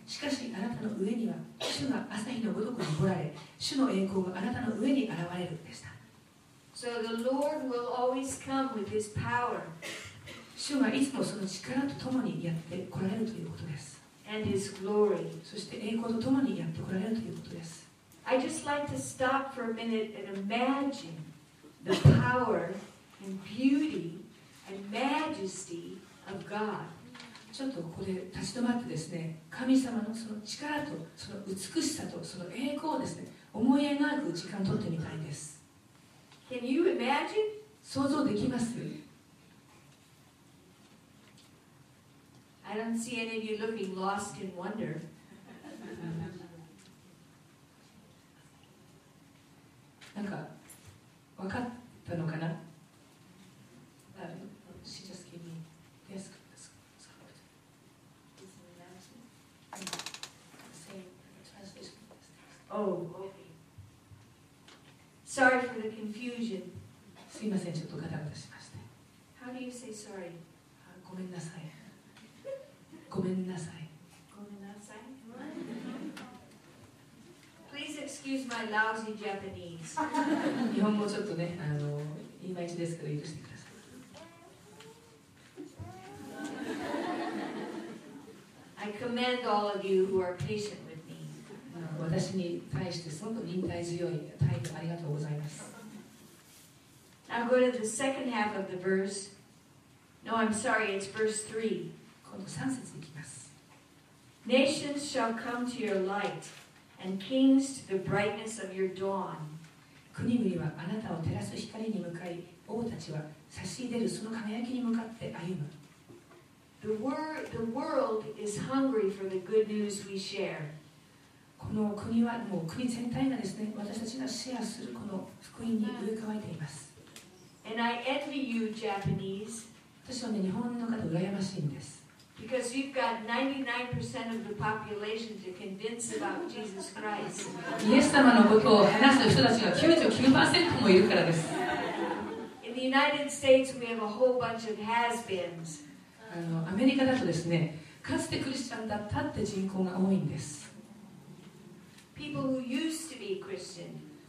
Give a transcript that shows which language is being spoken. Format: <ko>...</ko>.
<ja>しかしあなたの上には主が朝日のごとく昇られ、主の栄光があなたの上に現れるでした。</ja> <en>So the Lord will always come with His power.</en> <ja>主がいつもその力とともにやって来られるということです。</ja> <en>And His glory.</en> <ja>そして栄光とともにやってこられるということです。</ja> <en>I just like to stop for a minute and imagine the power and beauty and majesty of God.</en> <ja>ちょっとここで立ち止まってですね、神様のその力とその美しさとその栄光をですね、思い描く時間を取ってみたいです。</ja> <en>Can you imagine?</en> <ja>想像できます。</ja> <en>I don't see any of you looking lost in wonder.</en> <ja>なんか分かったのかな?</ja> <en>She just gave me desk. It's in the translation. Oh, okay. Sorry for the confusion.</en> <ja>すいません、ちょっとガタガタしました。</ja> <en>How do you say sorry?</en> <ja>ごめんなさい。ごめんなさい。ごめんなさい。</ja> <en>Please excuse my lousy Japanese.</en> <ja>日本語ちょっとね、いまいちですけど許してください。</ja> <en>I commend all of you who are patient with me.</en> <ja>私に対してすごく忍耐強い態度ありがとうございます。</ja> <en>Now go to the second half of the verse. No, I'm sorry, it's verse 3.</en> <ja>今度3節いきます。</ja> <en>Nations shall come to your light, and kings to the brightness of your dawn.</en> <ja>国々はあなたを照らす光に向かい、王たちは差し出るその輝きに向かって歩む。</ja> <en>The world is hungry for the good news we share.</en> <ja>この国はもう国全体がですね、私たちがシェアするこの福音に飢え渇いています。</ja> <en>And I envy you, Japanese.</en> <ja>私はね、日本の方羨ましいんです。</ja> <en>Because you've got 99% of the population to convince about Jesus Christ.</en> <ja>イエス様のことを話す人たちが 99% もいるからです。</ja> <en>In the United States, we have a whole bunch of has-beens.</en> <ja>アメリカだとですね、かつてクリスチャンだったって人口が多いんです。</ja> <en>People who used to be Christian.</en>